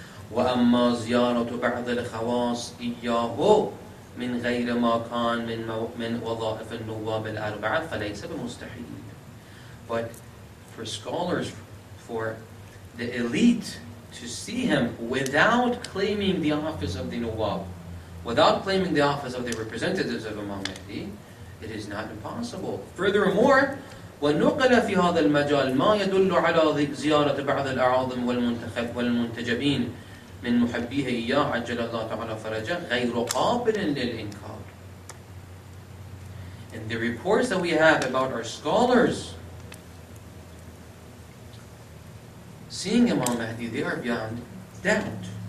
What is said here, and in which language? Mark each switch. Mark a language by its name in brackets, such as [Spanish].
[Arabic] وَأَمَّا زِيَارَةُ بَعْضِ الْخَوَاصِ إِيَّاهُ مِنْ غَيْرَ مَا كَانْ مِنْ وَظَائِفِ النُّوَّابِ الْأَرْبَعَةِ فَلَيْسَ بِمُسْتَحِيلٍ. [English] But for scholars, for the elite to see him without claiming the office of the Nawab, without claiming the office of the representatives of Imam Mahdi, it is not impossible. Furthermore, [Arabic] وَنُقَلَ فِي هَذَا الْمَجَالِ مَا يَدُلُّ عَلَى زِيَارَةِ بَعْضِ الْأَعَاظِمِ وَالْمُنْتَخَبِ وَالْمُنْتَجَبِينَ مِنْ مُحَبِّيهِ إِيَّا عَجَّلَ اللَّهُ تَعَالَى فَرَجَهُ غَيْرُ قَابِلٍ لِلْإِنْكَارِ. [English] In the reports that we have about our scholars seeing Imam Mahdi, they are beyond doubt.